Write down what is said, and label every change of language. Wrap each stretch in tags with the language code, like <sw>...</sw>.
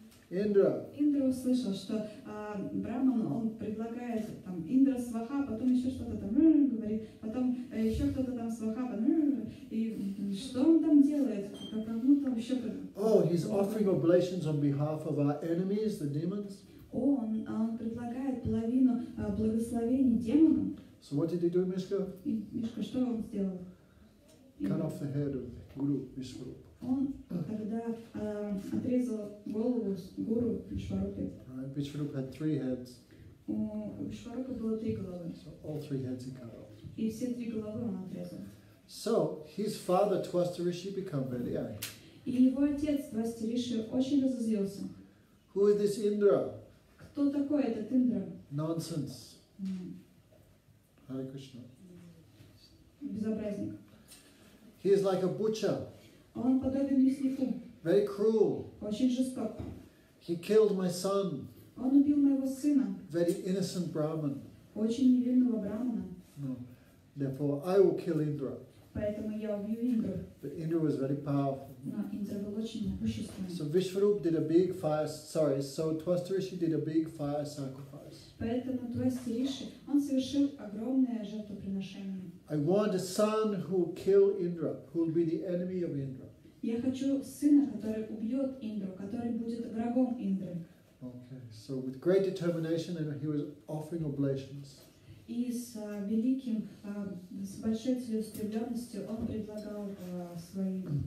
<ru>Индра услышал, что Браман, он предлагает там Индра сваха, потом еще что-то там говорит, потом еще кто-то там сваха, и что он там делает?</ru> <en>Oh, he's offering oblations on behalf of our enemies, the demons.</en> <ru>Он предлагает половину благословений демонам.</ru> <en>So what did he do, Мишка?</en> <ru>Мишка, что он сделал?</ru> <en>Cut off the head of Guru Вишварупа.</en> <ru>Он тогда отрезал голову Гуру Вишварупе.</ru> <en>Right, Вишварупа had three heads.</en> <ru>У Вишварупы было три головы.</ru> <en>So all three heads he cut off.</en> <ru>И все три головы он отрезал.</ru> <en>So his father Твастариши became very angry.</en> <ru>И его отец Твастариши очень разозлился.</ru> <en>Who is this Indra?</en> <ru>Кто такой этот Индра?</ru> <en>Nonsense. Hare Krishna.</en> <ru>Безобразник.</ru> <en>He is like a butcher.</en> <ru>Он подобен мяснику.</ru> <en>Very cruel.</en> <ru>Очень жесток.</ru> <en>He killed my son.</en> <ru>Он убил моего сына.</ru> <en>Very innocent Brahman.</en> <ru>Очень невинного Брахмана.</ru> <en>No. Therefore, I will kill Indra.</en> <ru>Поэтому я убью Индру.</ru> <en>But Indra was very powerful.</en> <ru>Но</ru> <en>so Вишварупа did a big fire. Sorry, so Твастариши did a big fire sacrifice.</en> <ru>Поэтому Твастариши он совершил огромное жертвоприношение.</ru> <en>I want a son who will kill Indra, who will be the enemy of Indra.</en> <ru>Я хочу сына, который убьет Индру, который будет врагом Индры.</ru> <en>Okay, so with great determination, and he was offering oblations.</en> <ru>И с великим, с большой целеустремленностью он предлагал свои</ru>